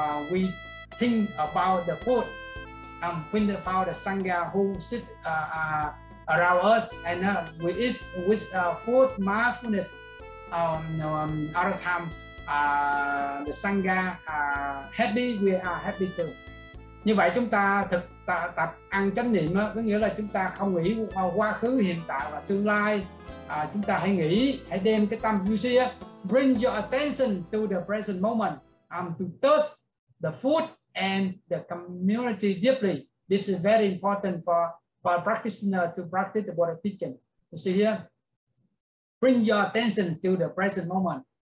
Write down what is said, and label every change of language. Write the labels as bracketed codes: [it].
[en] We think about the food. Think about the Sangha who sit around us, and we eat with food mindfulness. Other time, the Sangha happy, we are happy too. [vi] Như vậy chúng ta thực tập ăn chánh niệm đó, có nghĩa là chúng ta không nghĩ quá khứ, hiện tại và tương lai. Chúng ta hãy nghĩ, hãy đem cái tâm, [en] you see, bring your attention to the present moment, to touch the food and the community deeply. This is very important for a practitioner to practice the Buddha teaching. You see here, bring your attention to the present moment.